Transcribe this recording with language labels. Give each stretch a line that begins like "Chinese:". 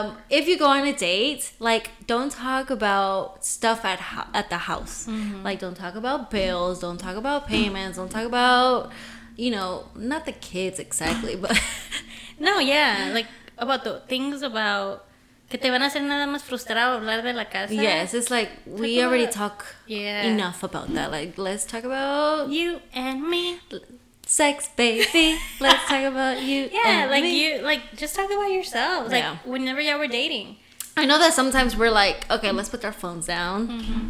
English: If you go on a date, like, don't talk about stuff at the house. Mm-hmm. Like, don't talk about bills. Don't talk about payments. Don't talk about, you know, not the kids exactly, but. No, yeah. Like, about the things about.
Spanish: Que te van a hacer nada más frustrado hablar de la casa.
English: Yes, it's like, we already talk enough about that. Like, let's talk about... You and me. Sex, baby. Let's talk about you and like me. Yeah, like, just talk about yourselves. Like, whenever y'all were dating. I know that sometimes we're like, okay, let's put our phones down. Mm-hmm.